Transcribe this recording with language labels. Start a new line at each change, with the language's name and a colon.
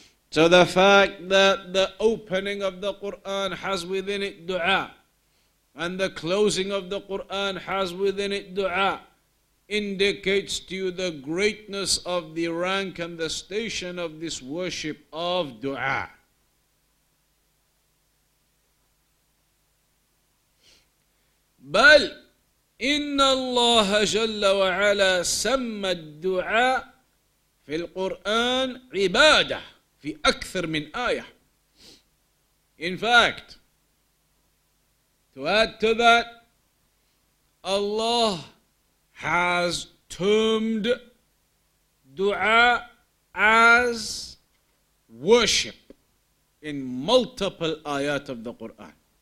English: So the fact that the opening of the Qur'an has within it dua, and the closing of the Qur'an has within it dua, indicates to you the greatness of the rank and the station of this worship of dua.
Arabic: بل إن الله جل وعلا سمى الدعاء في القرآن عبادة في أكثر من آية.
English: In fact, to add to that, Allah has termed dua as worship in multiple آيات of the Quran.